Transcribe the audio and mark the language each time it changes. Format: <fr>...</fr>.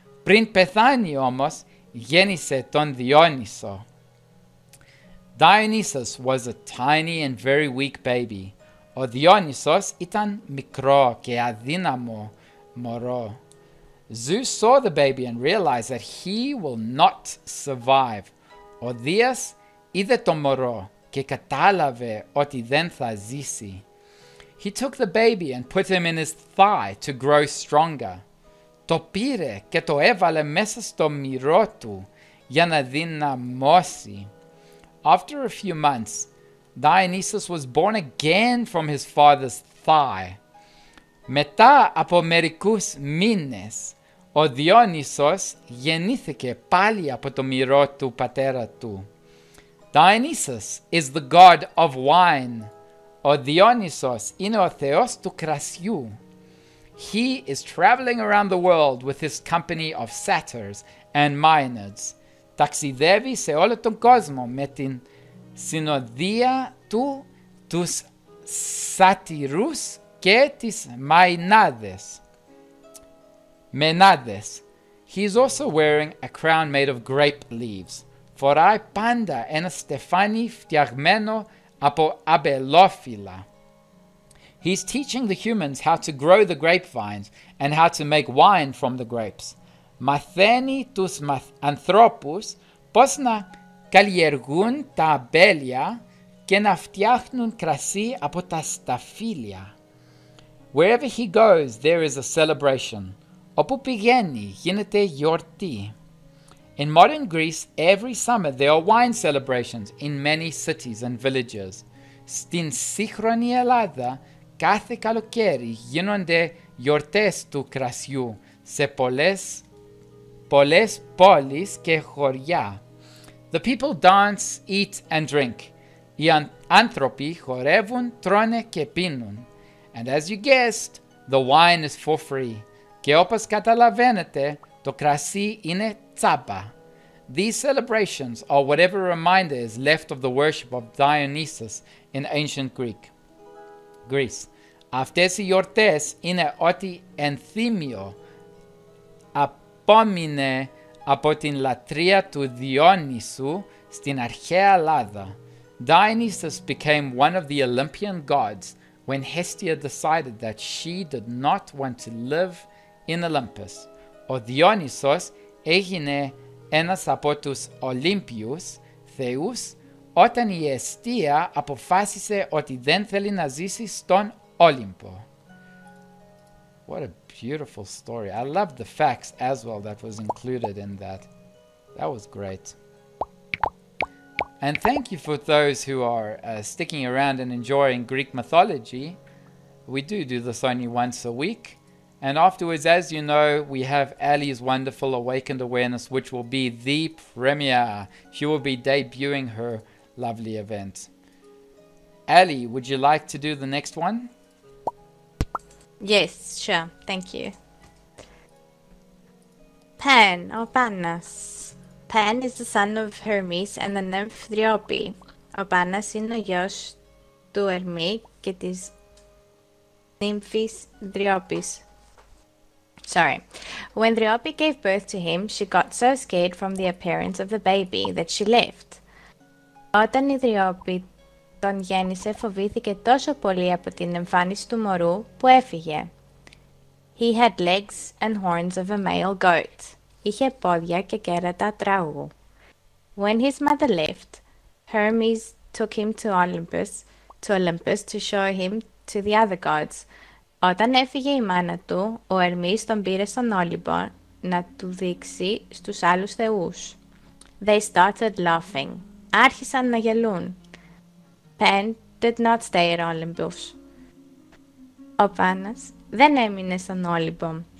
<el>Πριν πεθάνει όμως, γέννησε τον Διόνυσο.</el> <en>Dionysus was a tiny and very weak baby.</en> <el>Ο Διόνυσος ήταν μικρό και αδύναμο μωρό.</el> <en>Zeus saw the baby and realized that he will not survive.</en> <el>Ο Δίας είδε το μωρό και κατάλαβε ότι δεν θα ζήσει.</el> <en>He took the baby and put him in his thigh to grow stronger.</en> <el>Το πήρε και το έβαλε μέσα στο μυρό του για να δυναμώσει.</el> <en>After a few months, Dionysus was born again from his father's thigh.</en> <el>Μετά από μερικούς μήνες, ο Διόνυσος γεννήθηκε πάλι από το μυρό του πατέρα του.</el> <en>Dionysus is the god of wine.</en> <el>Ο Διόνυσος είναι ο θεός του κρασιού.</el> <en>He is traveling around the world with his company of satyrs and maenads.</en> <el>Ταξιδεύει σε όλο τον κόσμο με την συνοδεία του τους σάτυρους και τις μενάδες.</el> <en>He is also wearing a crown made of grape leaves.</en> <el>Φοράει πάντα ένα στεφάνι φτιαγμένο από αμπελόφυλλα.</el> <en>He is teaching the humans how to grow the grapevines and how to make wine from the grapes.</en> <el>Μαθαίνει τους ανθρώπους πώς να καλλιεργούν τα αμπέλια και να φτιάχνουν κρασί από τα σταφύλια.</el> <en>Wherever he goes, there is a celebration.</en> <el>Όπου πηγαίνει, γίνεται γιορτή.</el> <en>In modern Greece, every summer there are wine celebrations in many cities and villages.</en> <el>Στην σύγχρονη Ελλάδα, κάθε καλοκαίρι γίνονται γιορτές του κρασιού σε πολλές πόλεις και χωριά.</el> <en>The people dance, eat and drink.</en> <el>Οι άνθρωποι χορεύουν, τρώνε και πίνουν.</el> <en>And as you guessed, the wine is for free.</en> <el>Και όπως καταλαβαίνετε, το κρασί είναι τσάπα.</el> <en>These celebrations are whatever reminder is left of the worship of Dionysus in ancient Greece.</en> <el>Αυτές οι γιορτές είναι ό,τι ενθύμιο απόμεινε από την λατρεία του Διόνυσου στην αρχαία Ελλάδα.</el> <en>Dionysus became one of the Olympian gods when Hestia decided that she did not want to live in Olympus.</en> <el>Ο Διόνυσος έγινε ένας από τους Ολύμπιους θεούς όταν η Εστία αποφάσισε ότι δεν θέλει να ζήσει στον Όλυμπο.</el> <en>What a beautiful story. I love the facts as well that was included in that. That was great. And thank you for those who are sticking around and enjoying Greek mythology. We do this only once a week. And afterwards, as you know, we have Ali's wonderful Awakened Awareness, which will be the premiere. She will be debuting her lovely event. Ali, would you like to do the next one? Yes, sure. Thank you. Pan or Panas. Pan is the son of Hermes and the nymph Driope.</en> <el>Ο Πάνας είναι ο γιος του Ερμή και της νύμφης Δριόπης.</el> <en>Sorry. When Driope gave birth to him, she got so scared from the appearance of the baby that she left.</en> <el>Όταν η Driope τον γέννησε, φοβήθηκε τόσο πολύ από την εμφάνιση του μωρού που έφυγε.</el> <en>He had legs and horns of a male goat.</en> <el>Είχε πόδια και κέρατα τράγου.</el> <en>When his mother left, Hermes took him to Olympus to show him to the other gods.</en> <el>Όταν έφυγε η μάνα του, ο Ερμής τον πήρε στον Όλυμπο να του δείξει στους άλλους θεούς.</el> <en>They started laughing.</en> <el>Άρχισαν να γελούν.</el> <en>Pan did not stay at Olympus.</en> <el>Ο Πάνας δεν έμεινε στον Όλυμπο.</el>